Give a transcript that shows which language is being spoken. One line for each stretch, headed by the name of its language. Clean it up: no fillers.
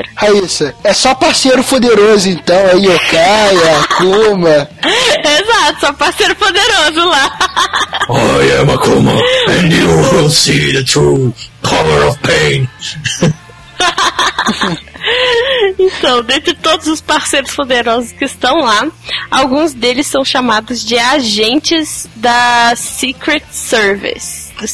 Portuguese: Raíssa, é só parceiro poderoso, então, é yokai, é Akuma. Exato, só parceiro poderoso lá.
English: I am Akuma, and you will see the true color of pain.
Portuguese: Então, dentre todos os parceiros poderosos que estão lá, alguns deles são chamados de agentes da Secret Service.